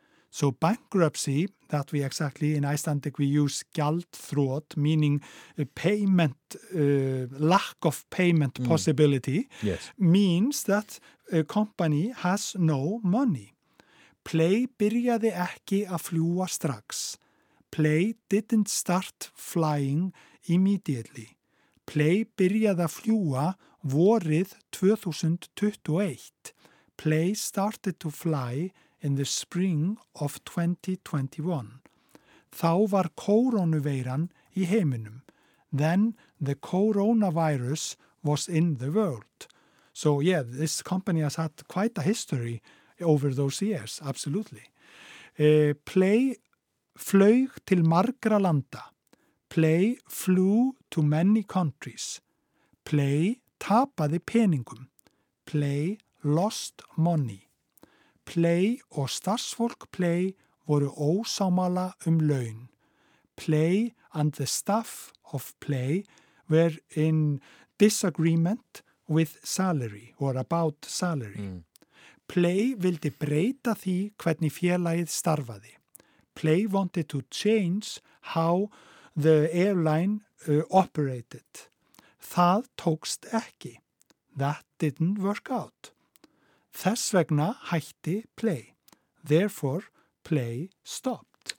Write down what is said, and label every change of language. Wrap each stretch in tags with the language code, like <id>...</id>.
<en>So bankruptcy, that we exactly, in Icelandic we use gjaldþrot, meaning payment, lack of payment possibility, means that a company has no money.</en> <is>Play byrjaði ekki að fljúa strax.</is> <en>Play didn't start flying immediately.</en> <is>Play byrjaði að fljúa vorið 2021.</is> <en>Play started to fly in the spring of 2021.</en> <is>Þá var koronaveiran í heiminum.</is> <en>Then the coronavirus was in the world. So yeah, this company has had quite a history over those years, absolutely.</en> <is>Play flaug til margra landa.</is> <en>Play flew to many countries.</en> <is>Play tapaði peningum.</is> <en>Play lost money.</en> <is>Play og starfsfólk Play voru ósámála laun.</is> <en>Play and the staff of Play were in disagreement with salary or about salary. Mm.</en> <is>Play vildi breyta því hvernig félagið starfaði.</is> <en>Play wanted to change how the airline operated.</en> <is>Það tókst ekki.</is> <en>That didn't work out.</en> <is>Þess vegna hætti Play.</is> <en>Therefore, Play stopped.</en>